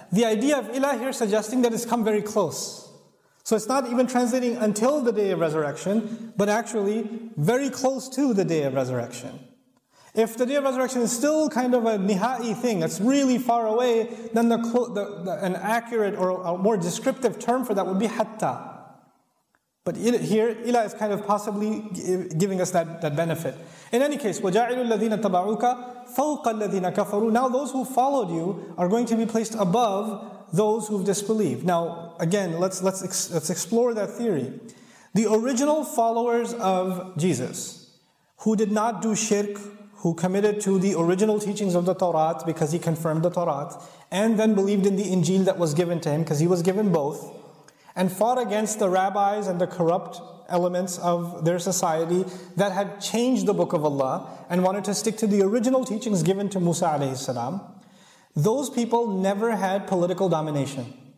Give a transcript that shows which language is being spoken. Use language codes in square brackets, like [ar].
[en] The idea of ila here suggesting that it's come very close. So it's not even translating until the day of resurrection, but actually very close to the day of resurrection. If the day of resurrection is still kind of a nihai thing, it's really far away, then an accurate or a more descriptive term for that would be hatta. But here, ila is kind of possibly giving us that benefit. In any case, [ar] وَجَعِلُوا الَّذِينَ تَبَعُوكَ فَوْقَ الَّذِينَ كَفَرُوا. [en] Now those who followed you are going to be placed above those who've disbelieved. Now again, let's explore that theory. The original followers of Jesus, who did not do shirk, who committed to the original teachings of the Torah because he confirmed the Torah, and then believed in the Injil that was given to him because he was given both, and fought against the rabbis and the corrupt elements of their society that had changed the Book of Allah and wanted to stick to the original teachings given to Musa alayhi salam, those people never had political domination.